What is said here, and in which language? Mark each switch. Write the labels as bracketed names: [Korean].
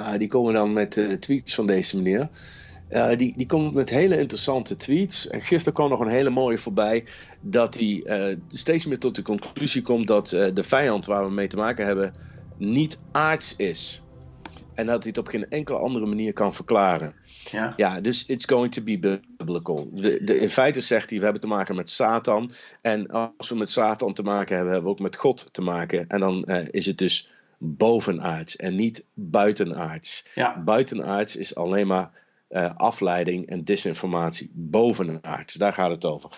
[Dutch] Die komen dan met tweets van deze meneer. Die komt met hele interessante tweets. En gisteren kwam nog een hele mooie voorbij, dat hij steeds meer tot de conclusie komt dat de vijand waar we mee te maken hebben niet aards is. En dat hij het op geen enkele andere manier kan verklaren. Ja, dus [English] it's going to be biblical. [Dutch] In feite zegt hij, we hebben te maken met Satan. En als we met Satan te maken hebben, hebben we ook met God te maken. En dan is het dus bovenaards en niet buitenaards. Ja. Buitenaards is alleen maar afleiding en disinformatie. Bovenaards, daar gaat het over.